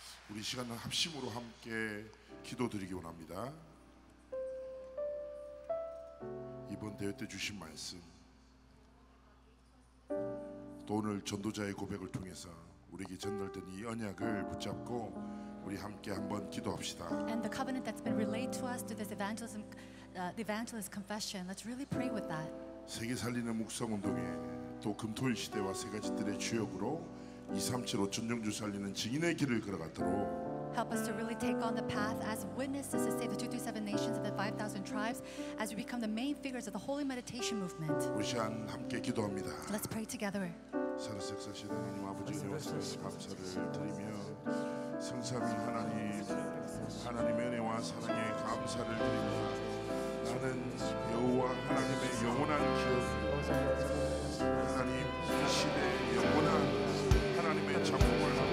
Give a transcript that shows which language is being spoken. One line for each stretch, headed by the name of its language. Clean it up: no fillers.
Korean: 우리 시간을 합심으로 함께 기도드리기 원합니다. 이번 대회 때 주신 말씀, 또 오늘 전도자의 고백을 통해서 우리에게 전달된 이 언약을 붙잡고 우리 함께 한번 기도합시다.
English: And the covenant that's been relayed to us through this evangelism, the evangelist confession. Let's really pray with that.
Korean: 세계 살리는 묵상 운동에 또 금토일 시대와 세 가지 뜰의 주역으로 237 오천정주 살리는 증인의 길을 걸어가도록.
English: Help us to really take on the path as witnesses to save the 237 nations and the 5,000 tribes as we become the main figures of the holy meditation movement.
Korean: 우리 함께 기도합니다.
English: Let's pray together.
Korean: 살아계신 하나님 아버지 영광스러운 감사를 드리며 성삼위 하나님 하나님의 은혜와 사랑에 감사를 드립니다. 나는 여호와 하나님의 영원한 기업이요 하나님 이 시대의 영원한 하나님의 작품을